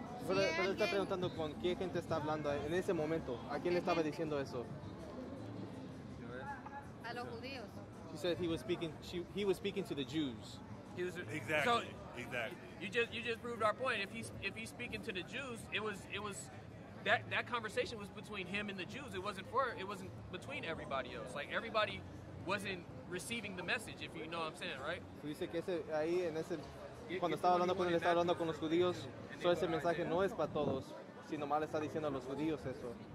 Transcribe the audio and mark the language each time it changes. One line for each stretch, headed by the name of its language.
Spanish: pero él está preguntando con qué gente está hablando en ese momento. ¿A quién le estaba diciendo eso? A los judíos.
English: She said he was speaking to the Jews. Exactly. You just proved our point. If he's speaking to the Jews, it was that conversation was between him and the Jews. It wasn't between everybody else. Like everybody wasn't receiving the message, if you know what I'm saying, right?
Spanish: So dice que ese ahí en ese cuando estaba hablando con él, estaba hablando con los judíos. So ese mensaje no es para todos, sino mal está diciendo a los judíos eso.